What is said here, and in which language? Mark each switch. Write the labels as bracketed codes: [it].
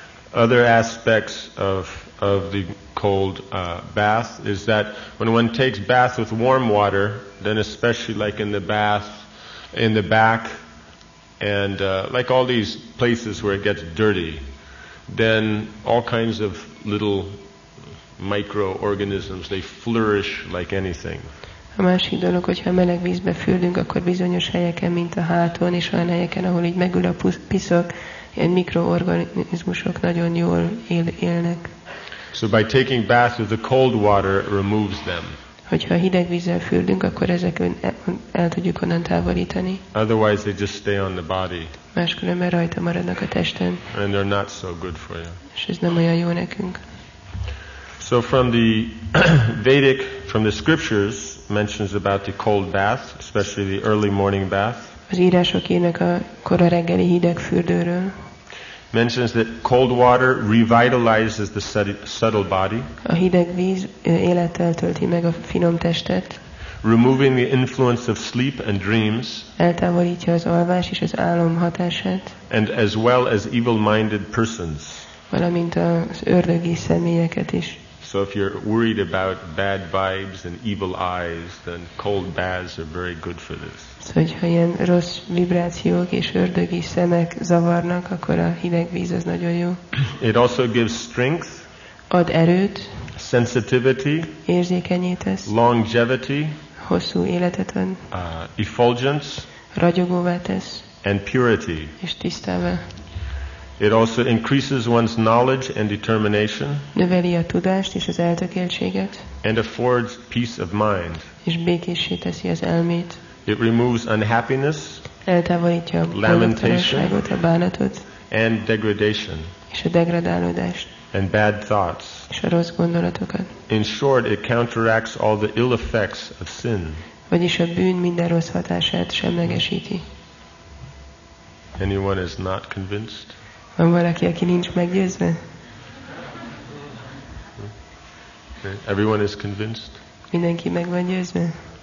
[en] Other aspects of the cold bath is that when one takes bath with warm water, then especially like in the bath, in the back, and like all these places where it gets dirty, then all kinds of little microorganisms, they flourish like anything. [hu] A másik dolog, hogyha meleg vízbe fürdünk, akkor bizonyos helyeken, mint a háton és olyan helyeken, ahol így megül a piszok, ilyen mikroorganizmusok nagyon jól élnek. [en] So by taking bath with the cold water, it removes them. [hu] Hogyha hideg vízzel fürdünk, akkor ezeket el tudjuk onnan távolítani. [en] Otherwise they just stay on the body. [hu] Máskülönben rajta maradnak a testen. [en] And they're not so good for you. [hu] És ez nem olyan jó nekünk. [en] So from the Vedic, from the scriptures, mentions about the cold bath, especially the early morning bath. [hu] Az írások írnak a kora reggeli hideg fürdőről. [en] Mentions that cold water revitalizes the subtle body. [hu] A hideg víz élettel tölti meg a finom testet. [en] Removing the influence of sleep and dreams. [hu] Eltávolítja az alvás és az álom hatását. [en] And as well as evil-minded persons. [hu] Valamint az ördögi személyeket is. [en] So if you're worried about bad vibes and evil eyes, then cold baths are very good for this. [hu] So, hogyha ilyen rossz vibrációk és ördögi szemek zavarnak, akkor a hideg víz az nagyon jó. [en] It also gives strength. [hu] Ad erőt. [en] Sensitivity. [hu] Érzékenyét tesz. [en] Longevity. [hu] Hosszú életet ad. [en] Effulgence. [hu] Ragyogóvá tesz. [en] And purity. [hu] És tisztává. [en] It also increases one's knowledge and determination. [hu] Növeli a tudást és az eltökéltséget. [en] And affords peace of mind. [hu] És békéssé teszi az elmét. [en] It removes unhappiness. [hu] Eltávolítja a lamentationságot, a bánatot. [en] And degradation. [hu] És a degradálódást. [en] And bad thoughts. [hu] És a rossz gondolatokat. [en] In short, it counteracts all the ill effects of sin. [hu] Vagyis a bűn minden rossz hatását semlegesíti. [en] Anyone is not convinced? [hu] Van valaki, aki nincs meggyőzve? [en] Everyone is convinced? [hu] Mindenki meg van győzve?